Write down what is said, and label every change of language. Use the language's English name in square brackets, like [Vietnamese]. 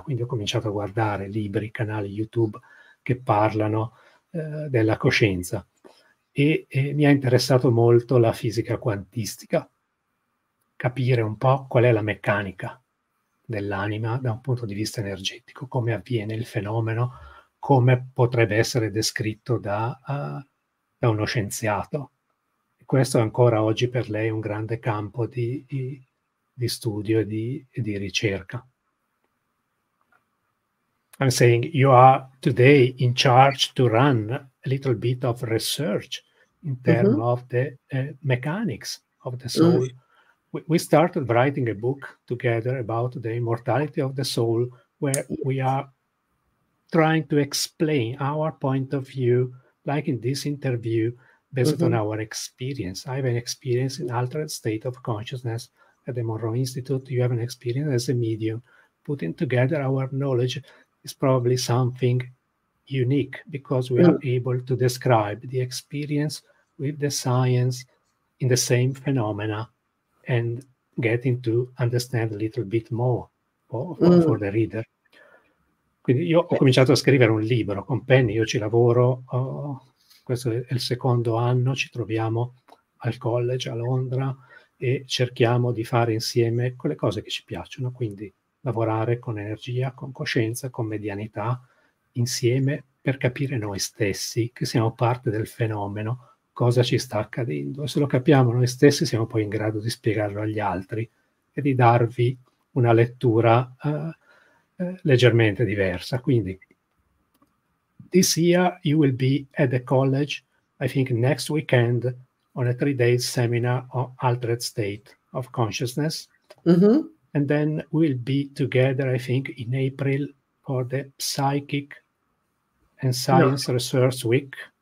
[Italian] Quindi ho cominciato a guardare libri, canali YouTube che parlano della coscienza e mi ha interessato molto la fisica quantistica, capire un po' qual è la meccanica dell'anima da un punto di vista energetico, come avviene il fenomeno, come potrebbe essere descritto da da uno scienziato. E questo è ancora oggi per lei un grande campo di studio e di ricerca. [English] I'm saying you are today in charge to run a little bit of research in terms of the mechanics of the soul. We started writing a book together about the immortality of the soul, where we are trying to explain our point of view, like in this interview, based on our experience. I have an experience in altered state of consciousness at the Monroe Institute. You have an experience as a medium. Putting together our knowledge is probably something unique, because we are able to describe the experience with the science in the same phenomena and getting to understand a little bit more for the reader. [Italian] Quindi io ho cominciato a scrivere un libro con Penny, io ci lavoro, questo è il secondo anno, ci troviamo al college a Londra e cerchiamo di fare insieme quelle cose che ci piacciono, quindi lavorare con energia, con coscienza, con medianità, insieme per capire noi stessi che siamo parte del fenomeno, cosa ci sta accadendo. E se lo capiamo noi stessi, siamo poi in grado di spiegarlo agli altri e di darvi una lettura leggermente diversa. Quindi, [English] this year you will be at the college, I think next weekend, on a 3-day seminar on altered state of consciousness. And then we'll be together, I think, in April for the Psychic and Science Research Week.